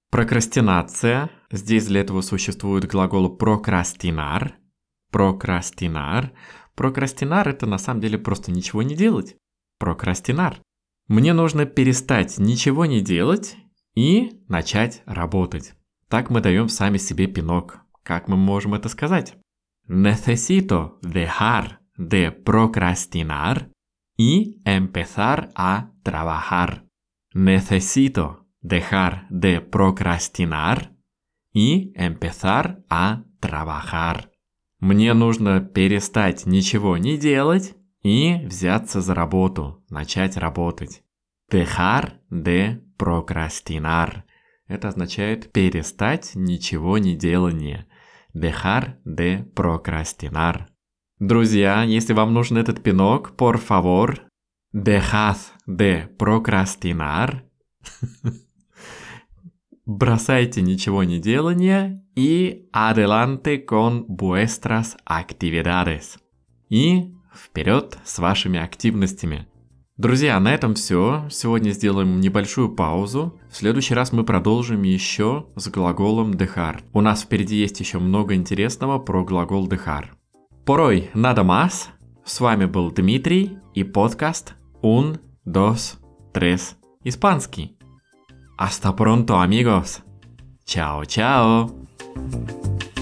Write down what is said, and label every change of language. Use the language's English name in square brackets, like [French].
[Russian] Прокрастинация. Здесь для этого существует глагол procrastinar. [Spanish] Procrastinar. [Russian] Procrastinar — это на самом деле просто ничего не делать. [Spanish] Procrastinar. [Russian] Мне нужно перестать ничего не делать и начать работать. Так мы даем сами себе пинок. Как мы можем это сказать? [Spanish] Necesito dejar de procrastinar y empezar a trabajar. Necesito dejar de procrastinar y empezar a trabajar. [Russian] Мне нужно перестать ничего не делать и взяться за работу, начать работать. [Spanish] Dejar de procrastinar. [Russian] Это означает перестать ничего не делание. [Spanish] Dejar de procrastinar. [Russian] Друзья, если вам нужен этот пинок, [Spanish] por favor, dejad de procrastinar. [Russian] Бросайте ничего не делание и [Spanish] adelante con vuestras actividades. [Russian] И вперед с вашими активностями. Друзья, на этом все. Сегодня сделаем небольшую паузу. В следующий раз мы продолжим еще с глаголом dejar. У нас впереди есть еще много интересного про глагол dejar. [Spanish] Por hoy, nada más. [Russian] С вами был Дмитрий и подкаст Un, dos, tres, испанский. [Spanish] Hasta pronto, amigos. Chao, chao.